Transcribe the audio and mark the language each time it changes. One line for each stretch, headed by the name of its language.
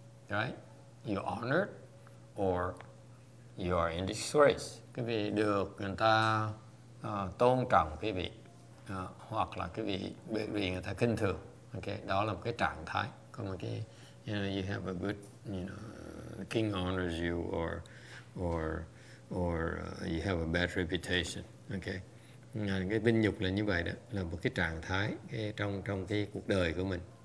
English: Right? You're honored or you are in disgrace.
Vietnamese: Quý vị được người ta tôn trọng quý vị, hoặc là quý vị bị người ta khinh thường. Okay? Đó là một cái trạng thái. Có một cái,
English: you have a good, the king honors you, or you have a bad reputation.
Vietnamese: Okay, cái vinh nhục là như vậy đó, là một cái trạng thái trong cái cuộc đời của mình.